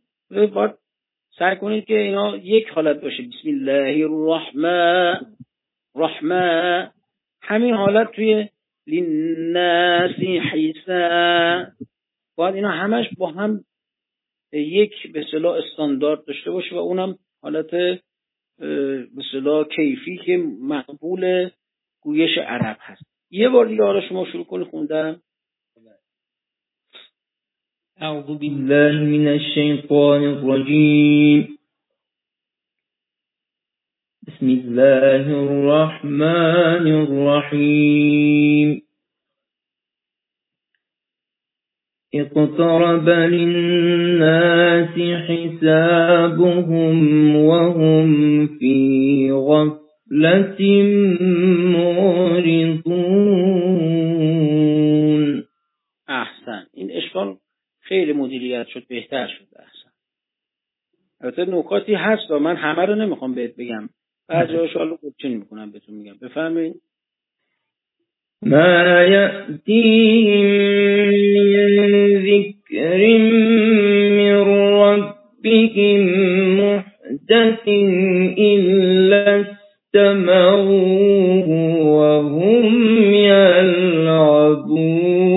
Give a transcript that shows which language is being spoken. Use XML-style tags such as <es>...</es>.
<fa>باید سعی کنید که اینا یک حالت باشه، بسم الله الرحمن رحمه، همین حالت توی للناس حسنا، باید اینا همش با هم یک به اصطلاح استاندارد داشته باشه و اونم حالت به اصطلاح کیفی که مقبول گویش عرب هست. یه بار دیگه حالا شما شروع کنید خوندن.</fa> <ar>أعوذ بالله من الشيطان الرجيم بسم الله الرحمن الرحيم اقترب للناس حسابهم وهم في غفلة معرضون.</ar> <fa>أحسن، إن إشكال خیلی مدیریت شد، بهتر شد. البته نکاتی هست، من همه رو نمیخوام بهت بگم، بعضی هاشو حالا قبچین میکنم بهتون میگم. بفهمین</fa> <ar>ما یأتیهم من ذکر من ربهم محدث الا استمعوه وهم یلعبون.</ar>